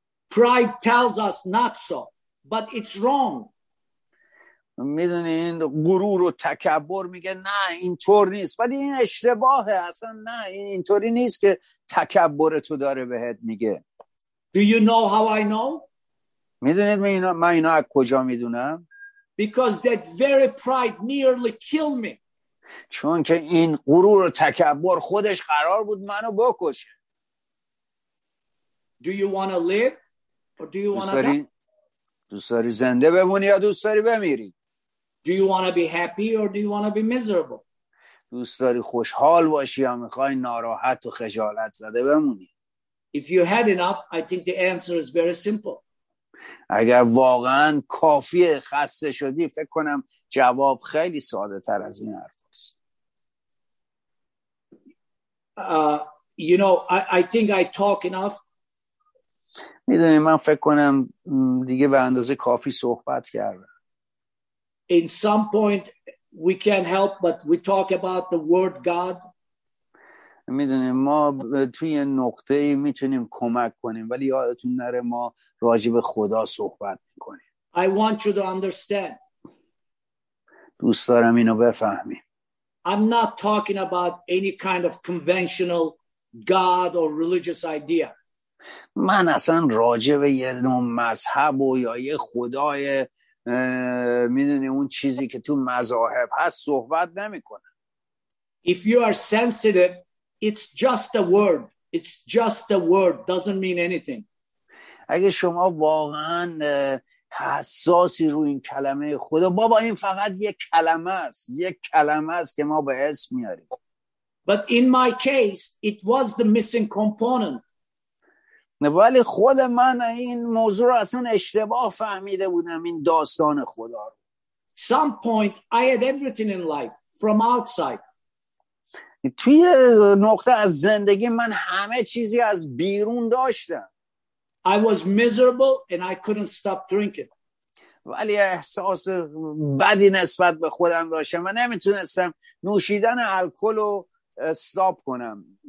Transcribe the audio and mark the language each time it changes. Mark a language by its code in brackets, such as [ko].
[en] Pride tells us not so, but it's wrong. [fa] میدونی این غرور و تکبر میگه نه اینطور نیست، ولی این اشتباهه. اصلا نه اینطوری نیست که تکبر تو داره بهت میگه. [en] Do you know how I know? [fa] میدونید من اینا از کجا میدونم؟ [en] Because that very pride nearly killed me. [fa] چون که این غرور و تکبر خودش قرار بود منو بکشه. [en] Do you want to live or do you want to die? [fa] دوست داری زنده بمونی یا دوست داری بمیری؟ [en] Do you want to be happy or do you want to be miserable? [fa] دوست داری خوشحال باشی یا میخوای ناراحت و خجالت زده بمونی؟ [en] If you had enough, I think the answer is very simple. [fa] اگر واقعا کافی خسته شدی فکر کنم جواب خیلی ساده تر از این حرف است. [en] You know, I think I talk enough. [fa] میدونی من فکر کنم دیگه به اندازه کافی صحبت کردم. [en] In some point we can't help but we talk about the word God. [fa] میدونی ما توی نقطه میتونیم کمک کنیم، ولی یادتون نره ما راجع به خدا صحبت میکنیم. [en] I want you to understand. [fa] دوست دارم اینو بفهمیم. [en] I'm not talking about any kind of conventional God or religious idea. [fa] من اصلا راجع به یه نوع مذهب و یا یه خدای میدونی اون چیزی که تو مذاهب هست صحبت نمی کنم. [en] If you are sensitive, it's just a word. It's just a word. Doesn't mean anything. [fa] اگه شما واقعا حساسی رو این کلمه خدا، بابا این فقط یه کلمه است. یک کلمه است که ما به اسم میاریم. [en] But in my case, it was the missing component. [fa] ولی خود من این موضوع رو اصلا اشتباه فهمیده بودم، این داستان خدا رو. [en] Some point I had everything in life from outside. [fa] توی نقطه از زندگی من همه چیزی از بیرون داشتم. [en] I was miserable and I couldn't stop drinking. [fa] ولی احساس بدی نسبت به خودم داشتم و نمیتونستم نوشیدن الکل رو استاپ کنم.